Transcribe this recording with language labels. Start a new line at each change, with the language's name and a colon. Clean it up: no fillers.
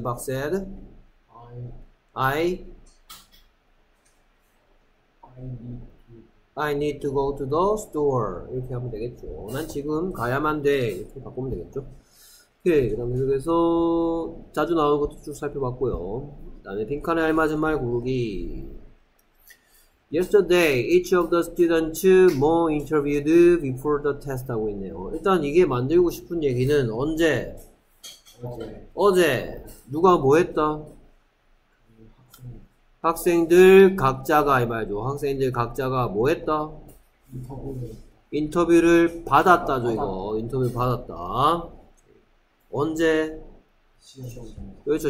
English: Park said I need to go to the store.
Korean: 이렇게 하면 되겠죠. 난 지금 가야만 돼. 이렇게 바꾸면 되겠죠. 오케이. 그 다음 계속해서 자주 나오는 것도 쭉 살펴봤고요. 그 다음에 빈칸에 알맞은 말 고르기.
English: Yesterday, each of the students more interviewed before the test
Korean: 하고 있네요. 일단 이게 만들고 싶은 얘기는 언제? 어제. 어제. 누가 뭐 했다? 학생들 각자가, 이 말이죠. 학생들 각자가 뭐 했다? 인터뷰를 받았다죠, 이거. 인터뷰 받았다. 언제? 그렇죠.